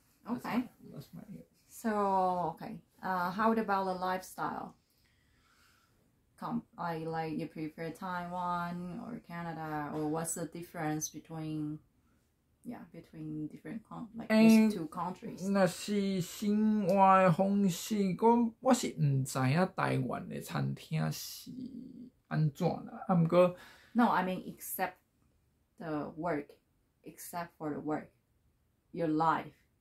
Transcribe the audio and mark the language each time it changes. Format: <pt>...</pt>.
<en>Okay. That's my So, okay. How about the lifestyle? Like you prefer Taiwan or Canada, or what's the difference between, yeah, between different, like these two countries?</en> <zh>那是生活的方式，我是不知道台湾的餐厅是安怎啦，啊，不过</zh> <en>No, I mean except for the work, your life.</en>